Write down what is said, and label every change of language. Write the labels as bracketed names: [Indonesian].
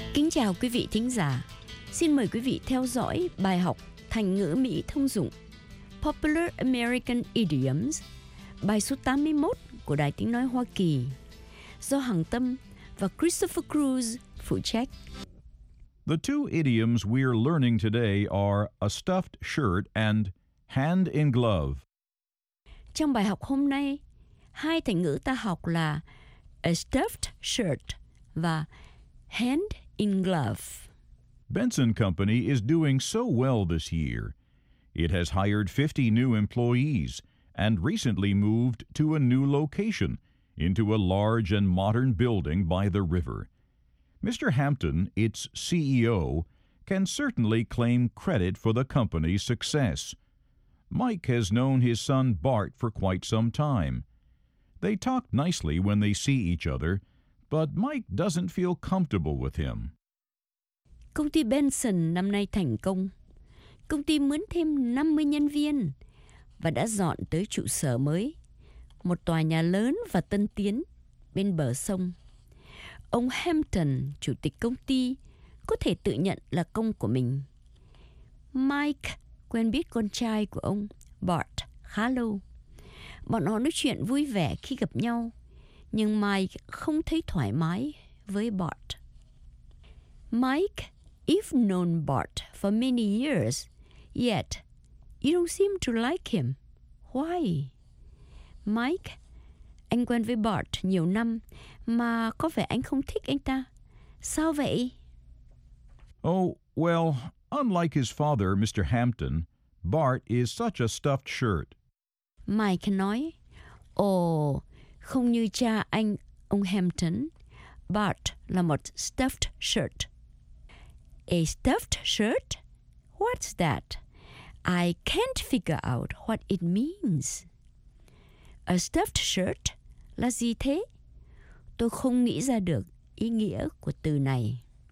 [Vietnamese] Chào quý vị thính giả, xin mời quý vị theo dõi bài học thành ngữ Mỹ thông dụng Popular American Idioms, bài số 81 của Đài Tiếng Nói Hoa Kỳ, do Hằng Tâm và Christopher Cruz phụ trách. [English] The two idioms we are learning today are a stuffed shirt and hand in glove. [Vietnamese] Trong bài học hôm nay, hai thành ngữ ta học là a stuffed shirt và hand in glove. [English] Benson Company is doing so well this year. It has hired 50 new employees and recently moved to a new location into a large and modern building by the river. Mr. Hampton, its CEO, can certainly claim credit for the company's success. Mike has known his son Bart for quite some time. They talk nicely when they see each other, but Mike doesn't feel comfortable with him. [Vietnamese] Công ty Benson năm nay thành công. Công ty mướn thêm 50 nhân viên và đã dọn tới trụ sở mới, một tòa nhà lớn và tân tiến bên bờ sông. Ông Hampton, chủ tịch công ty, có thể tự nhận là công của mình. Mike quen biết con trai của ông, Bart, khá lâu. Bọn họ nói chuyện vui vẻ khi gặp nhau, nhưng Mike không thấy thoải mái với Bart. [English] Mike, you've known Bart for many years, yet you don't seem to like him. Why? [Vietnamese] Mike, anh quen với Bart nhiều năm, mà có vẻ anh không thích anh ta. Sao vậy? [English] Oh, well, unlike his father, Mr. Hampton, Bart is such a stuffed shirt. [Vietnamese] Mike nói, không như cha anh, ông Hampton, Bart là một stuffed shirt. [English] A stuffed shirt? What's that? I can't figure out what it means. A stuffed shirt? [Vietnamese] Là gì thế? Tôi không nghĩ ra được ý nghĩa của từ này.